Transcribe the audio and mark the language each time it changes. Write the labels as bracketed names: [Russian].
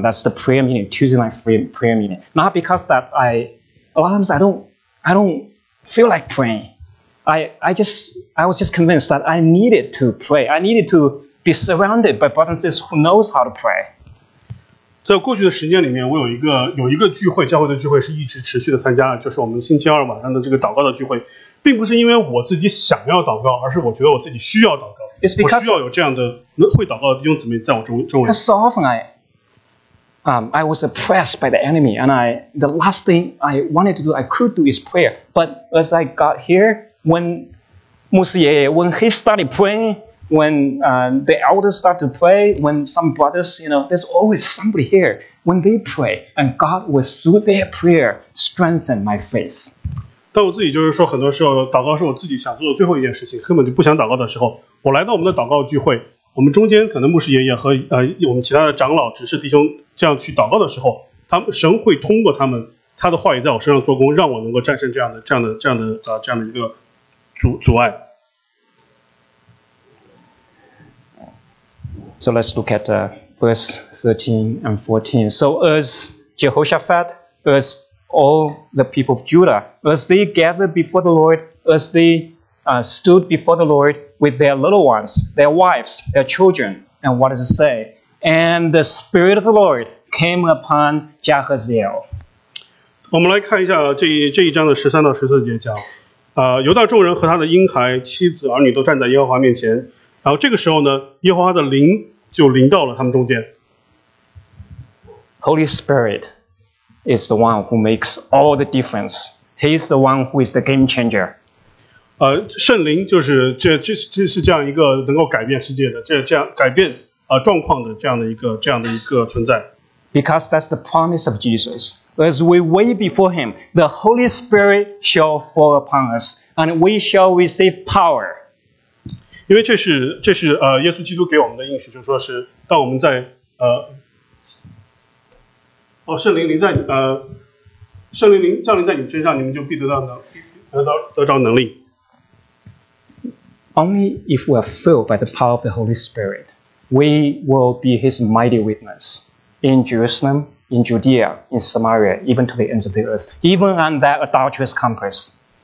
[English] That's the prayer meeting, Tuesday night prayer meeting. Not because that a lot of times I don't feel like praying. I was just convinced that I needed to pray. I needed to be surrounded by brothers and sisters who knows how to pray. [Chinese] 在过去的时间里面，我有一个聚会，教会的聚会是一直持续的参加，就是我们星期二晚上的这个祷告的聚会，并不是因为我自己想要祷告，而是我觉得我自己需要祷告。 [English] It's because [Chinese] 我需要有这样的会祷告的弟兄姊妹在我周围。 [English] Because often I was oppressed by the enemy, and the last thing I wanted to do, I could do is prayer. But as I got here, when he started praying, when the elders start to pray, when some brothers, you know, there's always somebody here when they pray, and God will through their prayer strengthen my faith. [Chinese] 但我自己就是说，很多时候祷告是我自己想做的最后一件事情，根本就不想祷告的时候，我来到我们的祷告聚会，我们中间可能牧师爷爷和我们其他的长老、执事弟兄这样去祷告的时候，他们神会通过他们，他的话语在我身上做工，让我能够战胜这样的一个阻碍。 [English] So let's look at verse 13 and 14. So as Jehoshaphat, as all the people of Judah, as they gathered before the Lord, as they stood before the Lord with their little ones, their wives, their children, and what does it say? And the Spirit of the Lord came upon Jahaziel. [Chinese] 我们来看一下这一章的13到14节讲。犹大众人和他的婴孩、妻子、儿女都站在耶和华面前。然后这个时候呢，耶和华的灵就临到了他们中间。 [English] Holy Spirit is the one who makes all the difference. He is the one who is the game changer. [Chinese] 圣灵就是这是这样一个能够改变世界的这样改变状况的这样的一个存在。 [English] Because that's the promise of Jesus. As we wait before Him, the Holy Spirit shall fall upon us, and we shall receive power. [Chinese] 因为这是耶稣基督给我们的应许，就是说是当我们在圣灵降临在你们身上，你们就必得到能力。 [English] Only if we are filled by the power of the Holy Spirit, we will be His mighty witness. In Jerusalem, in Judea, in Samaria, even to the ends of the earth, even on that adulterous compass.